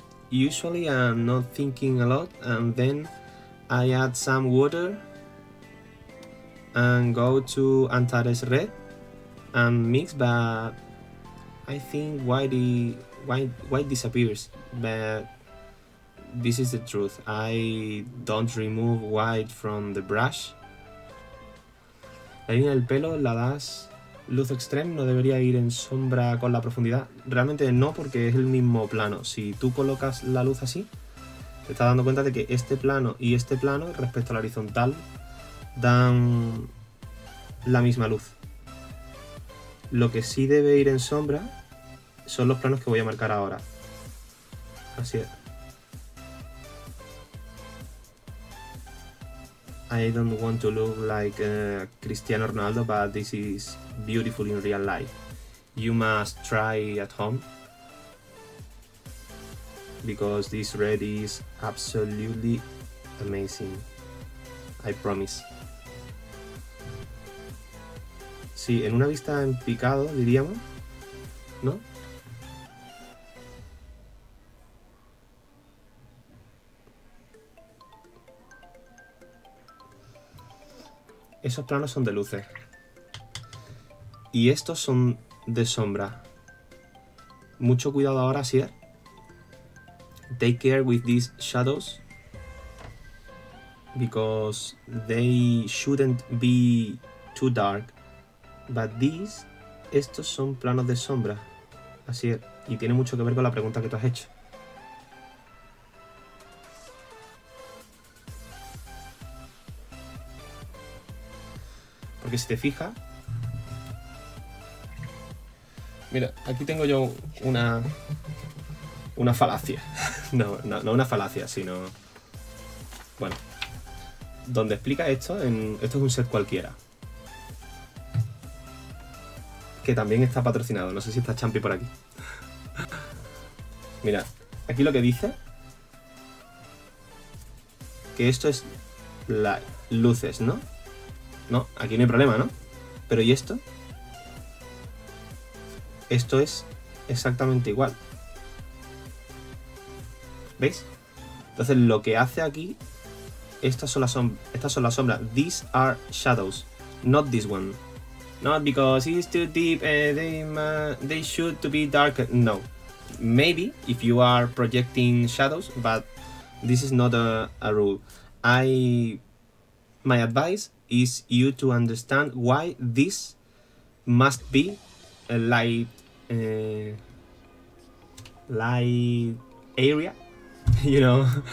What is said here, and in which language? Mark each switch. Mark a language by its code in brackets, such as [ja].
[en] Usually I'm not thinking a lot, and then I add some water and go to Antares red and mix, but I think white disappears. But this is the truth, I don't remove white from the brush. [es] La línea del pelo la das luz extrema, no debería ir en sombra con la profundidad. Realmente no, porque es el mismo plano. Si tú colocas la luz así, te estás dando cuenta de que este plano y este plano, respecto al horizontal, dan la misma luz. Lo que sí debe ir en sombra son los planos que voy a marcar ahora. Así es. [en] I don't want to look like Cristiano Ronaldo, but this is beautiful in real life. You must try at home, because this red is absolutely amazing. I promise. [es] Sí, en una vista en picado, diríamos, ¿no? Esos planos son de luces. Y estos son de sombra. Mucho cuidado ahora, Sier. [en] Take care with these shadows, because they shouldn't be too dark. But these, [es] estos son planos de sombra. Así es. Y tiene mucho que ver con la pregunta que tú has hecho. Que si te fijas, mira, aquí tengo yo una falacia, bueno, donde explica esto, esto es un set cualquiera, que también está patrocinado, no sé si está Champi por aquí. Mira, aquí lo que dice, que esto es las luces, ¿no? No, aquí no hay problema, ¿no? Pero ¿y esto? Esto es exactamente igual. ¿Veis? Entonces lo que hace aquí, estas son las sombras. [en] These are shadows, not this one. Not because it's too deep and they should to be darker. No. Maybe if you are projecting shadows, but this is not a rule. My advice is you to understand why this must be a light area, you know.